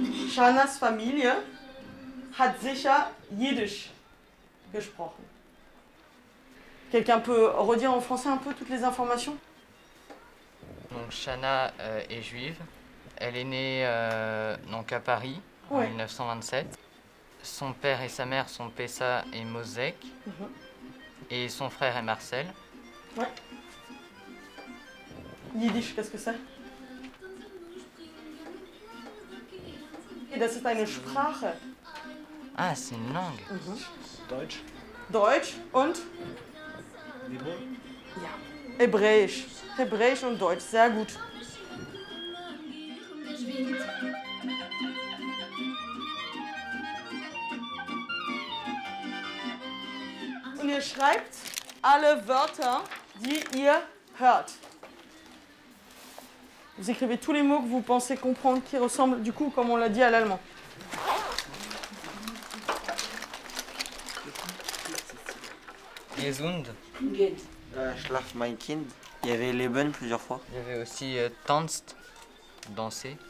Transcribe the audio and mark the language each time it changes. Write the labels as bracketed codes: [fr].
[de] Shanas Familie hat sicher Jiddisch gesprochen. [fr] Quelqu'un peut redire en français un peu toutes les informations? Donc Shana est juive. Elle est née donc à Paris en 1927. Son père et sa mère sont Pessa et Mosek. Mm-hmm. Et son frère est Marcel. Ouais. Yiddish, qu'est-ce que c'est? Et [de] das ist eine Sprache. [fr] Ah, c'est une langue. Mm-hmm. [de] Deutsch. Deutsch und? Hebräisch. Ja. Hebräisch. Hebräisch und Deutsch, sehr gut. Und ihr schreibt alle Wörter, die ihr hört. [fr] Vous écrivez tous les mots que vous pensez comprendre, qui ressemblent du coup, comme on l'a dit, à l'allemand. [de] Gesund. Schlaf mein Kind. [fr] Il y avait Leben plusieurs fois. Il y avait aussi Tanzt, danser.